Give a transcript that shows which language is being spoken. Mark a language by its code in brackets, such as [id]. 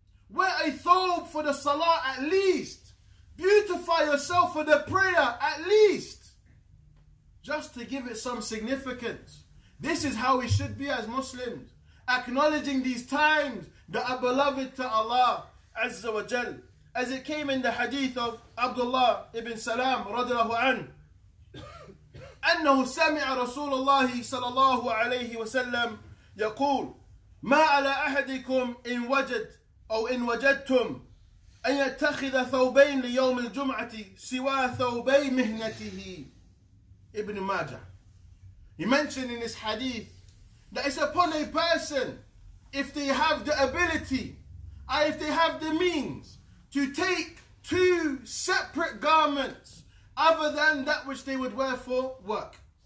[en] Wear a thawb for the salah at least. Beautify yourself for the prayer at least. Just to give it some significance. This is how we should be as Muslims. Acknowledging these times that are beloved to Allah Azza wa Jal. As it came in the hadith of Abdullah ibn Salam radiallahu anhu, [ar] أنه سمع رسول الله صلى الله عليه وسلم يقول ما على أحدكم إن وجد أو إن وجدتم أن يتخذ ثوبين ليوم الجمعة سوى ثوبي مهنته. [en] Ibn Majah. He mentioned in his hadith that it's upon a person if they have the ability and if they have the means to take two separate garments other than that which they would wear for work.